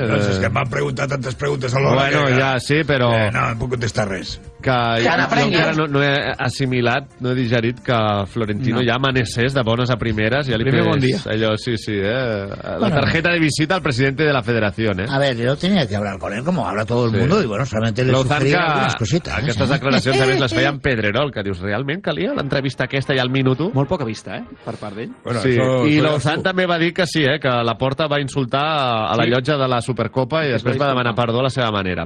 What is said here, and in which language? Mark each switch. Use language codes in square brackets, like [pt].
[ca] No, si és que em van preguntar tantes preguntes a l'hora. Bueno, ja, sí, però... No puc contestar res. Que no he assimilat, no he digerit que Florentino ja amanecés de bones a primeres. Ja li primer bon dia. Allò, sí. La tarjeta de visita al president de la federació, [es] A ver, yo tenía que hablar con él, como habla todo el mundo, y bueno, solamente le sugería algunas cositas. [ca] Aquestes declaracions, a més, les feien Pedrerol, que dius, realment calia l'entrevista aquesta i [es] al minuto? [ca] Molt poca vista, per part d'ell. Bueno, sí. I l'Ozan també va dir que sí, que la porta va insultar a la llotja de la Supercopa i després va demanar perdó a la seva manera.